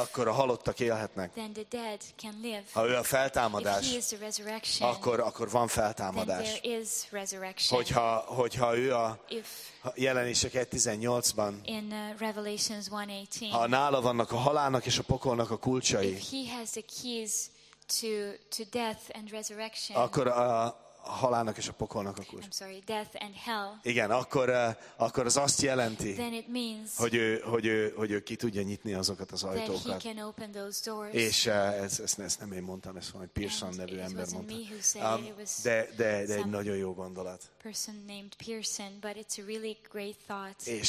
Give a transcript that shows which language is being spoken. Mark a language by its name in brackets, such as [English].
[Hungarian] akkor a halottak élhetnek. [English] Then the dead can live. [Hungarian] Ha ő a feltámadás, [English] if he is the resurrection, [Hungarian] akkor van feltámadás. [English] Then there is resurrection. [Hungarian] Hogyha ő a Jelenések 1:18-ban. [English] In Revelations 1:18. [Hungarian] Ha nála vannak a halálnak és a pokolnak a kulcsai. [English] If he has the keys to death and resurrection. [Hungarian] Akkor a halálnak és a pokolnak a kulcs. [English] I'm sorry, death and hell. [Hungarian] Igen, akkor az azt jelenti, [English] then it means, [Hungarian] hogy ő ki tudja nyitni azokat az ajtókat. [English] That he can open those doors. [Hungarian] És ezt nem én mondtam, ezt valami Pearson nevű ember mondta. [English] It wasn't me who said it. [Hungarian] De egy nagyon jó gondolat. [English] Person named Pearson, but it's a really great thought.